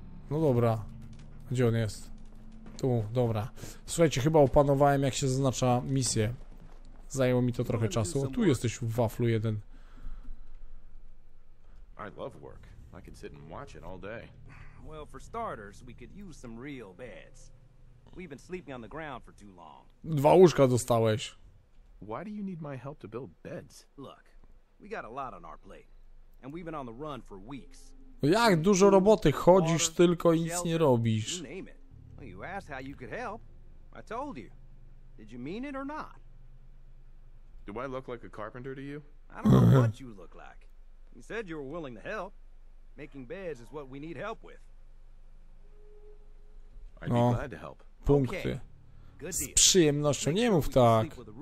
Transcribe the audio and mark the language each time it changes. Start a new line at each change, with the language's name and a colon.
Polish: No dobra. Gdzie on jest? Tu, dobra. Słuchajcie, chyba opanowałem, jak się zaznacza misję. Zajęło mi to trochę czasu. Tu jesteś w waflu jeden.
English: I love work. I can sit and watch it all day. Well, for starters, we could use some real beds. We've been sleeping on the ground for too long.
Polish: Dwa łóżka dostałeś.
English: Why do you need my help to build beds? Look, we got a lot on our plate, and we've been on the run for weeks.
Polish: Jak dużo roboty, chodzisz tylko i nic nie robisz.
English: You asked how you could help. I told you. Did you mean it or not? Do I look like a carpenter to you? I don't know what you look like. You said you were willing to help. Making beds is what we need help with. I'd be glad to help.
Polish: Punkty. Z przyjemnością, nie mów tak.